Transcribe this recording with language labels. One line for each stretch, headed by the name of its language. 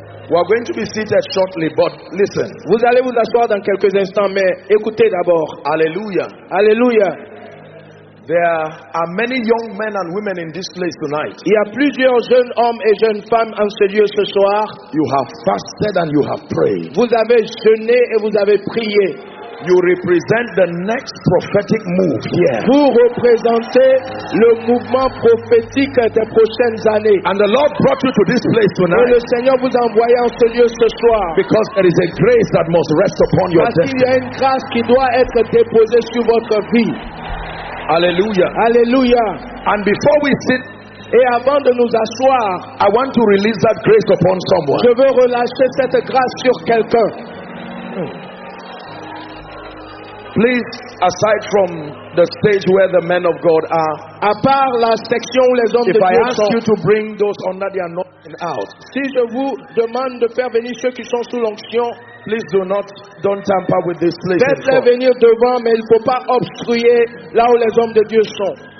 English: We are going to be seated shortly, but listen.
French: Vous allez vous asseoir dans quelques instants, mais écoutez d'abord. Alléluia. Alléluia.
English: There are many young men and women in this place tonight.
French: Il y a plusieurs jeunes hommes et jeunes femmes en ce lieu ce soir.
English: You have fasted and you have prayed.
French: Vous avez jeûné et vous avez prié.
English: You represent the next prophetic move here.
French: Vous représentez le mouvement prophétique des prochaines années.
English: And the Lord brought you to this place tonight.
French: Et le Seigneur vous a envoyé en ce lieu ce soir.
English: Because there is a grace that must rest upon your destiny.
French: Parce qu'il y a une grâce qui doit être déposée sur votre vie. Alléluia. Alléluia.
English: And before we sit,
French: et avant de nous asseoir,
English: I want to release that grace upon someone.
French: Je veux relâcher cette grâce sur quelqu'un.
English: Please, aside from the stage where the men of God are,
French: à part la section où les hommes de Dieu sont,
English: if I ask you to bring those under the anointing out,
French: si je vous demande de faire venir ceux qui sont sous l'onction,
English: please don't tamper with this place.
French: Faites-les venir devant, mais il ne faut pas obstruer là où les hommes de Dieu sont.